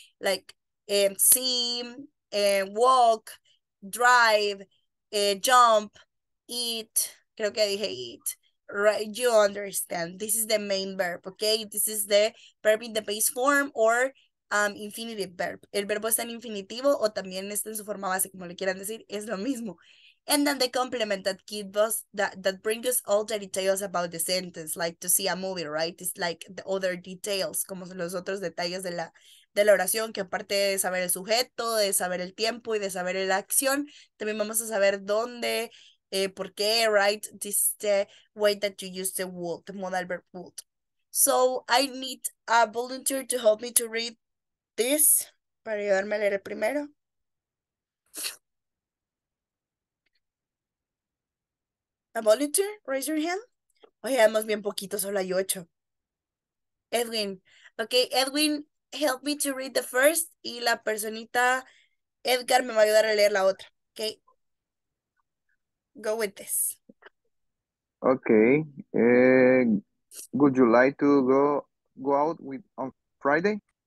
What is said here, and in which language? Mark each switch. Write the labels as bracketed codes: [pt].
[en] Like, see, walk, drive, jump, eat. [es] Creo que dije eat. [en] Right, you understand. This is the main verb, okay? This is the verb in the base form or infinitive verb. [es] El verbo está en infinitivo o también está en su forma base, como le quieran decir, es lo mismo. [en] And then the complement that gives us, that brings us all the details about the sentence, like to see a movie, right? It's like the other details, [es] como son los otros detalles de la oración, que aparte de saber el sujeto, de saber el tiempo y de saber la acción, también vamos a saber dónde, por qué, right? [en] This is the way that you use the would, the modal verb would. So I need a volunteer to help me to read this, [es] para ayudarme a leer el primero. [en] A volunteer, raise your hand. [es] Oye, vamos bien poquito, solo hay 8. Edwin. [en] Okay, Edwin, help me to read the first. [es] Y la personita Edgar me va a ayudar a leer la otra. Okay. [en] go with this. Okay. Would you like to go out with on Friday?